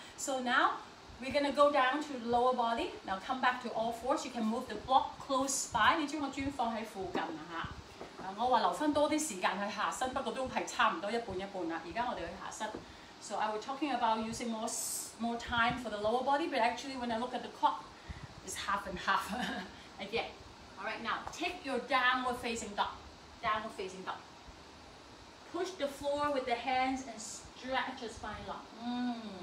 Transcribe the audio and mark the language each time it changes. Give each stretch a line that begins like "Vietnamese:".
English: So now we're gonna go down to the lower body. Now come back to all fours. You can move the block close by.
Cantonese: 你將個磚放喺附近啊嚇. 我話留翻多啲時間去下身，不過都係差唔多一半一半啦。而家我哋去下身。
English: So I was talking about using more time for the lower body, but actually when I look at the clock, it's half and half. Again. Alright, now take your downward facing dog. Downward facing dog. Push the floor with the hands and stretch your spine long.